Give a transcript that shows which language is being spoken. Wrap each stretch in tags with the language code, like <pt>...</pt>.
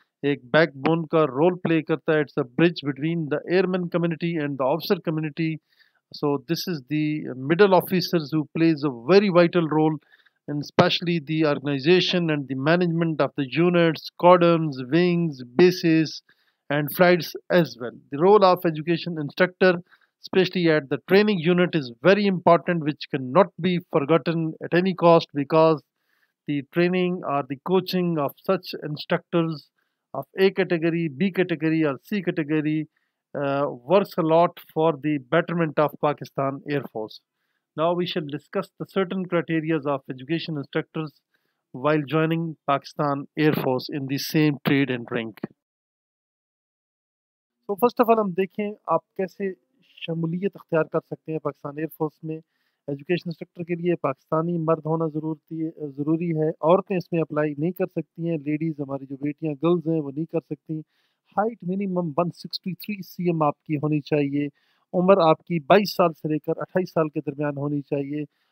<en>ایک backbone کا role play کرتا ہے it's a bridge between the airmen community and the officer community So this is the middle officers who plays a very vital role and especially the organization and the management of the units, squadrons, wings, bases and flights as well. The role of education instructor, especially at the training unit is very important which cannot be forgotten at any cost because the training or the coaching of such instructors of A category, B category or C category works a lot for the betterment of Pakistan Air Force. Now we shall discuss the certain criteria of education instructors while joining Pakistan Air Force in the same trade and rank. So first of all,</en> <ur>ہم دیکھیں آپ کیسے شمولیت اختیار کر سکتے ہیں Pakistan air force میں ایجوکیشن انسٹرکٹر کے لیے پاکستانی مرد ہونا ضروری ہے عورتیں اس میں اپلائی نہیں کر سکتی ہیں لیڈیز ہماری جو بیٹیاں گرلز ہیں وہ نہیں کر سکتی ہائٹ منیمم 163 سی ایم آپ کی ہونی چاہیے عمر آپ کی 22 سال سے لے کر 28 سال کے درمیان ہونی چاہیے</ur>